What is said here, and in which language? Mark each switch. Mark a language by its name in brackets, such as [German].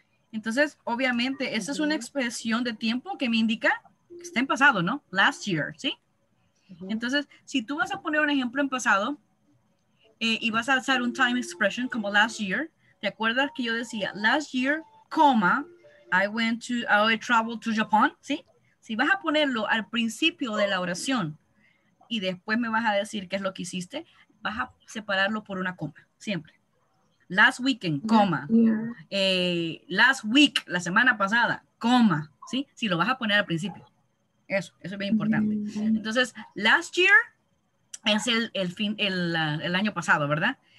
[Spanish] Entonces, obviamente, esa es una expresión de tiempo que me indica que está en pasado, ¿no? [English] Last year, [Spanish] ¿sí? Entonces, si tú vas a poner un ejemplo en pasado y vas a usar un time expression como [English] last year, [Spanish] ¿te acuerdas que yo decía last year, comma, [English] I went to, I traveled to Japan. [Spanish] ¿Sí? Si vas a ponerlo al principio de la oración y después me vas a decir qué es lo que hiciste, vas a separarlo por una coma, siempre. [English] Last weekend, [Spanish] coma. [English] Yeah. Last week, [Spanish] la semana pasada, coma. ¿Sí? Si lo vas a poner al principio. Eso es bien importante. Entonces, [English] last year [Spanish] es el año pasado, ¿verdad?